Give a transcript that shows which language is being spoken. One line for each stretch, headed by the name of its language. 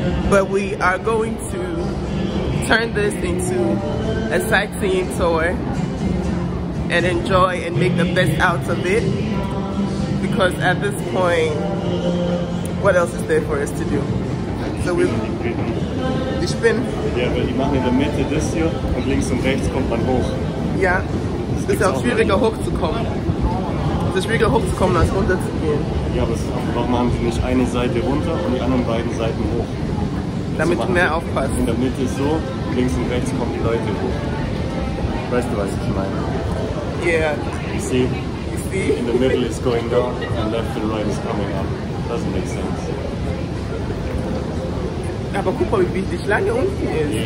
English: But we are going to turn this into a sightseeing tour and enjoy and make the best out of it, because at this point, what else is there for us to do? So we've been.
German: Yeah, weil die machen in der Mitte das hier und links und rechts kommt man hoch. Ja, es ist auch schwieriger hochzukommen. Es ist schwieriger hochzukommen als runterzugehen. Ja, aber es braucht man für mich eine Seite runter und die anderen beiden Seiten hoch. Damit du mehr aufpasst. In der Mitte so, links und rechts kommen die Leute hoch. Weißt du, was ich meine?
English: Yeah. You see? In the middle is going down and left and right is coming up. Doesn't make sense.
German: Aber guck mal, wie die Schlange unten ist.